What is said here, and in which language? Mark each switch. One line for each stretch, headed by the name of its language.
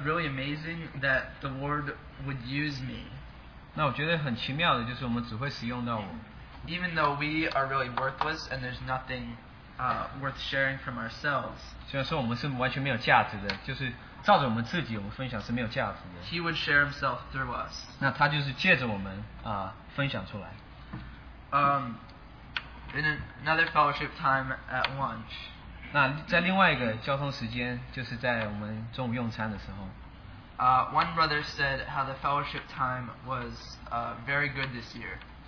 English: really amazing that the Lord would use me.
Chinese: 那我觉得很奇妙的就是我们只会使用到我。
English: Even though we are really worthless and there's nothing worth sharing from ourselves.
Chinese: 虽然说我们是完全没有价值的，就是照着我们自己，我们分享是没有价值的。
English: He would share himself through us.
Chinese: 那他就是借着我们分享出来。
English: In another fellowship time at lunch.
Chinese: 那在另外一个交通时间，就是在我们中午用餐的时候。
English: One brother said how the fellowship time was very good this year.